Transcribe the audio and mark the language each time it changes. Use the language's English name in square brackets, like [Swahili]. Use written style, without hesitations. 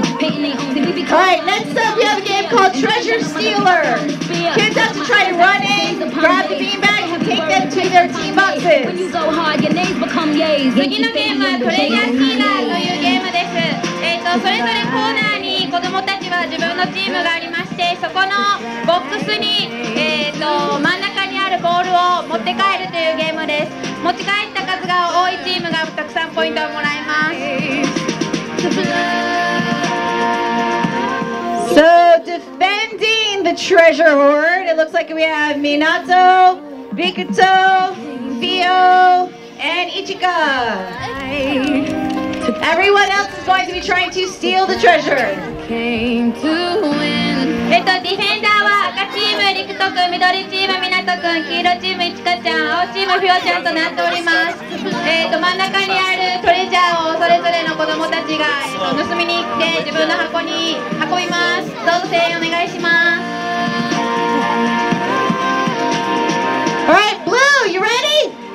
[English] all right, next up we have a game called Treasure Stealer. Kids have to try to run in, grab the beanbags, and take them to their team boxes. When you go hard, your names become yays. The next game is Play Your Scene [Japanese] という [English] game [Japanese] です。それぞれコーナーに子供たちは自分のチームがありまして、そこのボックスに真ん中にあるボールを持って帰るというゲームです。持ち帰った数が多いチームがたくさんポイントをもらえます。 [English] So defending the treasure hoard, it looks like we have Minato, Bikuto, Fio, and Ichika. Everyone else is going to be trying to steal the treasure. [Japanese] Defender は赤チーム、リクト君、緑チーム、ミナト君、黄色チーム、イチカちゃん、青チーム、フィオちゃんとなっております。真ん中にあるトレジャーをそれぞれの子供たちが盗みに行って自分の箱に運びます。どうぞ声援お願いします。 [English] All right, Blue, you ready?